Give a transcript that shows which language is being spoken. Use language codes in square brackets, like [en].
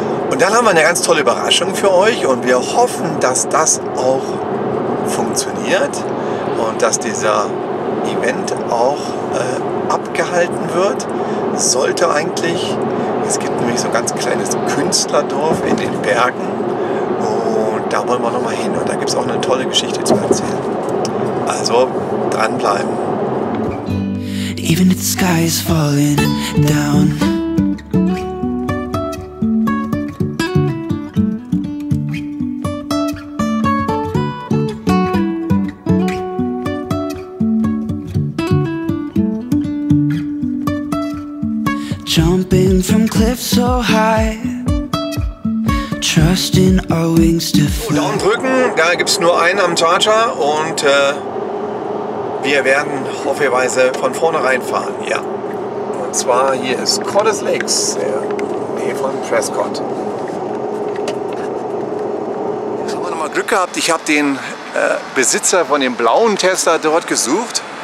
[de] Und dann haben wir eine ganz tolle Überraschung für euch und wir hoffen, dass das auch funktioniert und dass dieser Event auch abgehalten wird. Sollte eigentlich. Es gibt nämlich so ein ganz kleines Künstlerdorf in den Bergen und da wollen wir nochmal hin und da gibt es auch eine tolle Geschichte zu erzählen. Also dranbleiben. [en] Even if the sky is falling down. Jumping from cliffs so high. Trust in our wings to fly. [de] Daumen drücken, da gibt's nur einen am Charger und wir werden hoffentlich von vorne reinfahren, ja. Und zwar hier ist Cordes Lakes, der Nähe von Prescott. Jetzt haben wir nochmal Glück gehabt. Ich habe den Besitzer von dem blauen Tesla dort gesucht.